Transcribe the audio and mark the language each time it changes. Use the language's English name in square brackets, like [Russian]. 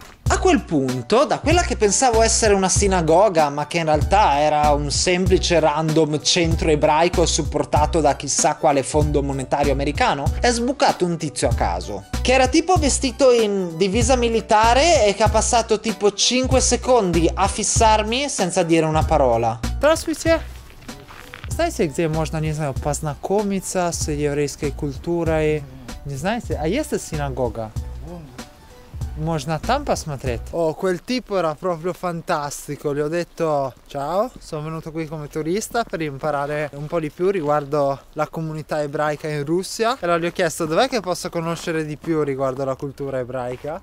[Italian] A quel punto, da quella che pensavo essere una sinagoga, ma che in realtà era un semplice random centro ebraico supportato da chissà quale fondo monetario americano, è sbucato un tizio a caso. Che era tipo vestito in divisa militare e che ha passato tipo 5 secondi a fissarmi senza dire una parola. [Russian] Здравствуйте! Знаете, где можно, не знаю, познакомиться с еврейской культурой? Не знаете? А есть синагога? Можно там посмотреть? [Italian] О, quel tipo era proprio fantastico. Gli ho detto ciao, sono venuto qui come turista per imparare un po' di più riguardo la comunità ebraica in Russia. E allora gli ho chiesto dov'è che posso conoscere di più riguardo la cultura ebraica.